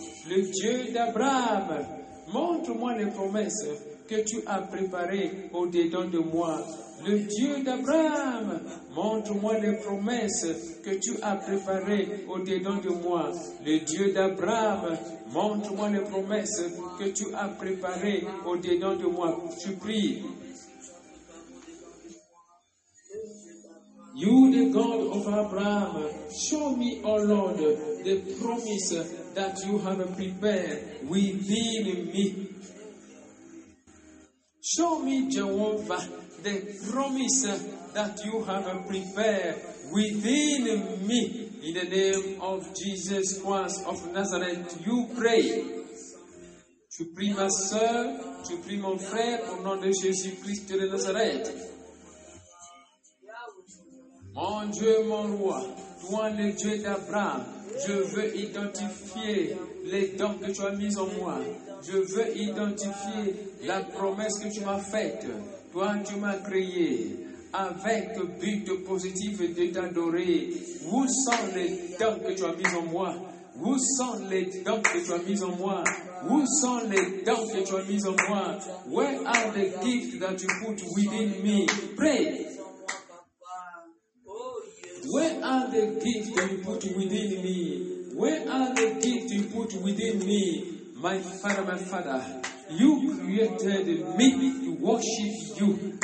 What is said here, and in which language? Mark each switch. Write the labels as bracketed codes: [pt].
[fr] Le Dieu d'Abraham, montre-moi les promesses que tu as préparées au-dedans de moi. Le Dieu d'Abraham, montre-moi les promesses que tu as préparées au-dedans de moi. Le Dieu d'Abraham, montre-moi les promesses que tu as préparées au-dedans de moi. Je prie. [en] You, the God of Abraham, show me, O Lord, the promise that you have prepared within me. Show me, Jehovah, the promise that you have prepared within me. In the name of Jesus Christ of Nazareth, you pray. [fr] Tu pries ma soeur, tu pries mon frère, au nom de Jésus-Christ de Nazareth. Mon Dieu, mon roi, toi le Dieu d'Abraham, je veux identifier les dons que tu as mis en moi. Je veux identifier la promesse que tu m'as faite. Toi, tu m'as créé avec but positif de t'adorer. Où sont les dons que tu as mis en moi? Où sont les dons que tu as mis en moi? Où sont les dons que tu as mis en moi? [en] Where are the gifts that you put within me? Pray. Where are the gifts that you put within me? Where are the gifts you put within me? My Father, you created me to worship you.